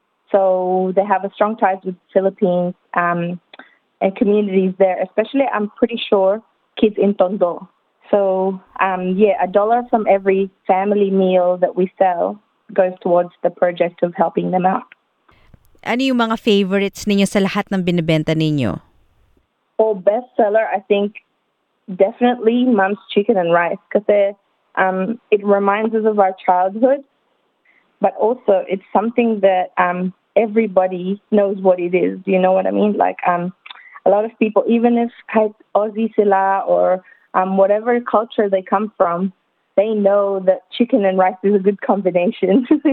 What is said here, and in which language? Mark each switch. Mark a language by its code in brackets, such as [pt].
[en] So they have a strong ties with the Philippines and communities there, especially, I'm pretty sure, kids in Tondo. So, a dollar from every family meal that we sell goes towards the project of helping them out. [tl] Ano yung mga favorites ninyo sa lahat ng binibenta ninyo? [en] Well, best seller, I think, definitely Mom's Chicken and Rice. Kasi it reminds us of our childhood. But also, it's something that everybody knows what it is. Do you know what I mean? Like, a lot of people, even if like Aussie sila or whatever culture they come from, they know that chicken and rice is a good combination.